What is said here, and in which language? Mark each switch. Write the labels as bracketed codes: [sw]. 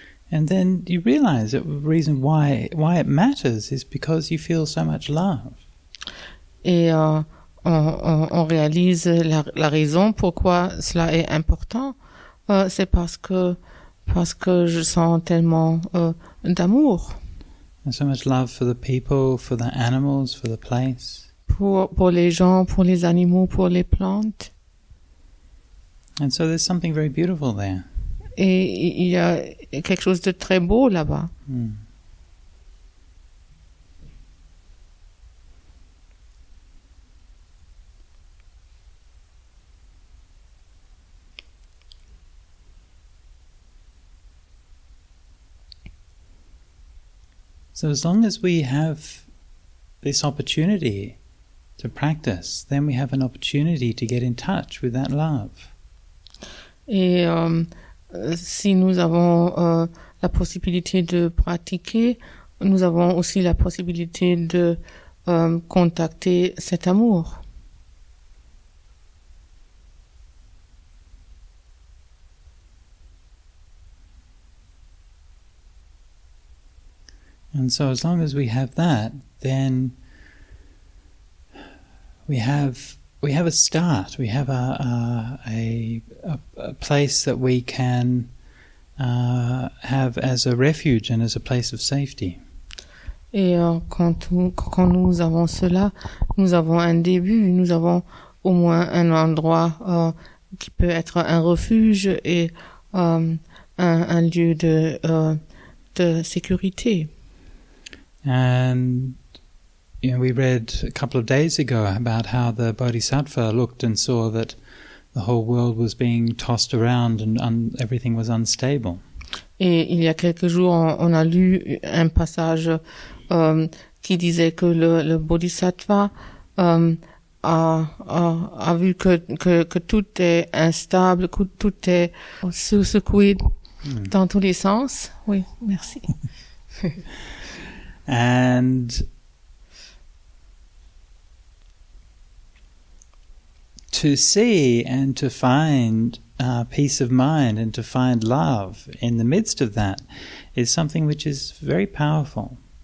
[en] And then you realize that the reason why it matters is because you feel so much love. [fr] Et on réalise la raison pourquoi cela est important, c'est parce que je sens tellement d'amour. [en] And so much love for the people, for the animals, for the place. [fr] Pour les gens, pour les animaux, pour les plantes. [en] And so there's something very beautiful there. [fr] Et il y a quelque chose de très beau là-bas. [en] So as long as we have this opportunity to practice, then we have an opportunity to get in touch with that love. [fr] Et si nous avons la possibilité de pratiquer, nous avons aussi la possibilité de contacter cet amour. [en] And so as long as we have that, then we have a start, we have a place that we can have as a refuge and as a place of safety. [fr] Et quand nous avons cela, nous avons un début, nous avons au moins un endroit qui peut être un refuge et un lieu de sécurité. [en] And you know, we read a couple of days ago about how the Bodhisattva looked and saw that the whole world was being tossed around and everything was unstable. [fr] Et il y a quelques jours, on a lu un passage qui disait que le Bodhisattva a vu que tout est instable, que tout est secoué dans tous les sens. Oui, merci. [en] And to see and to find peace of mind and to find love in the midst of that is something which is very powerful.